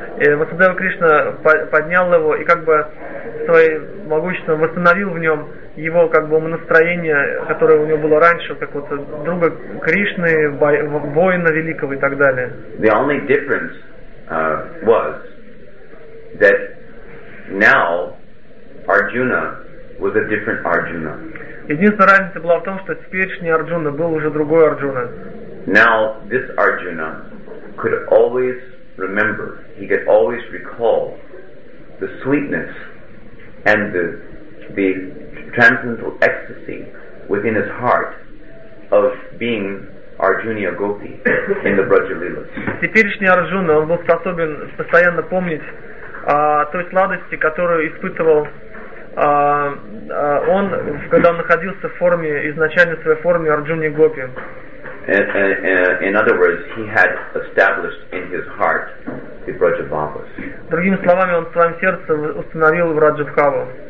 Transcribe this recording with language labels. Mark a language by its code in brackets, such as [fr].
[ru] И Васудева Кришна поднял его и как бы своей могуществом восстановил в нем его как бы настроение, которое у него было раньше, как вот друга Кришны, воина великого и так далее. [en] The only difference was that now Arjuna was a different Arjuna. [ru] Единственная разница была в том, что теперешний Арджуна был уже другой Арджуна. [en] Now this Arjuna could always remember, he could always recall the sweetness and the transcendental ecstasy within his heart of being Arjuna Gopi in the Braja Lilas. [ru] Теперешний Арджуна, он был способен постоянно помнить той сладости, которую испытывал он, когда он находился в форме, изначально своей форме Арджуны Гопи. [en] In other words, he had established in his heart the Braja Bhavas. [ru] Другими словами, он в своем сердце установил Враджа Бхаву.